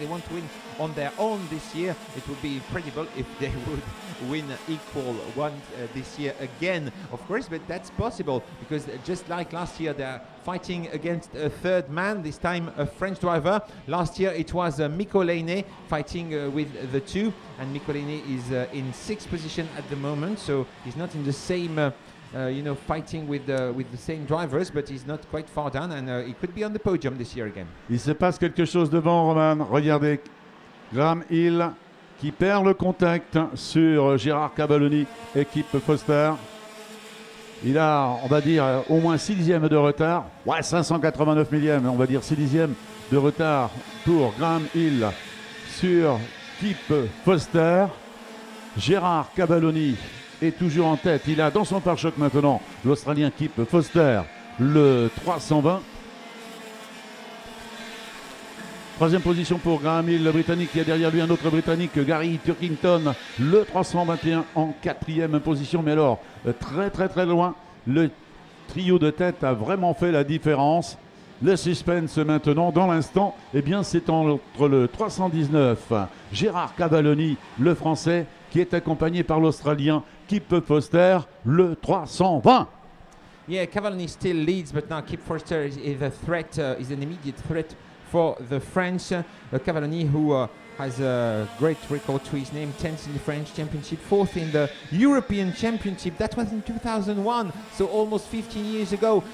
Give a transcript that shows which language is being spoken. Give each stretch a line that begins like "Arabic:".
English: They want to win on their own this year. It would be incredible if they would win equal one this year again, of course, but that's possible, because just like last year, they're fighting against a third man, this time a French driver. Last year it was Mikko Leine fighting with the two, and Mikko Leine is in sixth position at the moment, so he's not in the same fighting with the same drivers, but he's not quite far down, and he could be on the podium this year again.
French: Il se passe quelque chose devant, Roman. Regardez, Graham Hill qui perd le contact sur Gérard Cavalloni, équipe Foster. Il a, on va dire, au moins 6 dixièmes de retard. Ouais, 589 millièmes, on va dire 6 dixièmes de retard pour Graham Hill sur Kip Foster. Gérard Cavalloni est toujours en tête. Il a dans son pare-choc maintenant l'Australien Kip Foster, le 320. Troisième position pour Graham Hill, le Britannique. Il y a derrière lui un autre Britannique, Gary Turkington, le 321 en quatrième position. Mais alors, très très très loin, le trio de tête a vraiment fait la différence. Le suspense maintenant, dans l'instant, eh bien c'est entre le 319, Gérard Cavalloni, le Français, qui est accompagné par l'Australien Kip Foster, le 320.
English: Yeah, Cavalloni still leads, but now Kip Foster is a threat, is an immediate threat for the French. Cavalloni, who has a great record to his name, 10th in the French Championship, 4th in the European Championship. That was in 2001, so almost 15 years ago.